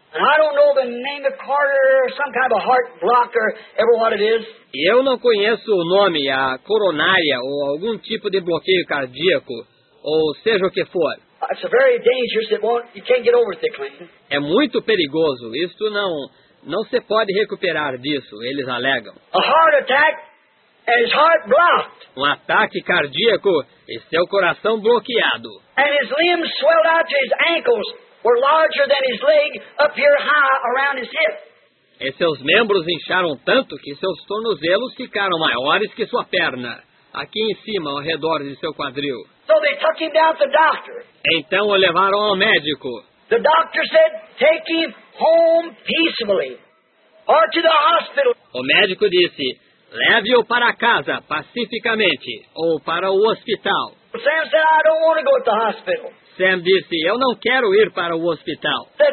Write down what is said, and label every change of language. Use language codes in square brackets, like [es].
[en] And I don't know the name of Carter, some kind of a heart block or ever what it is. [pt] E eu não conheço o nome, a coronária ou algum tipo de bloqueio cardíaco, ou seja o que for. [en] It's very dangerous. You can't get over it, Clinton. [pt] É muito perigoso. Isto não se pode recuperar disso, eles alegam. [en] A heart attack and his heart blocked. [pt] Um ataque cardíaco e seu coração bloqueado. [en] And his limbs swelled out to his ankles. Were larger than his leg up here high around his hip. [pt] E seus membros incharam tanto que seus tornozelos ficaram maiores que sua perna, aqui em cima, ao redor de seu quadril. [en] So they took him down to the doctor. [pt] Então o levaram ao médico. [en] The doctor said, take him home peacefully, or to the hospital. [pt] O médico disse, leve-o para casa pacificamente ou para o hospital. [en] Sam said, I don't want to go to the hospital. [pt] Sam disse, eu não quero ir para o hospital.